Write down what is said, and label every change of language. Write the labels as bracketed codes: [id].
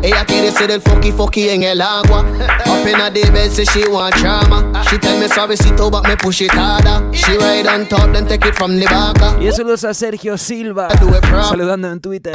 [es] Ella quiere ser el fucky fucky en el agua. [en] Up in a bed say she want drama. She tell me suavecito but me push it harder. She ride on top then take it from the back. [es] Y eso lo hace Sergio Silva saludando en Twitter.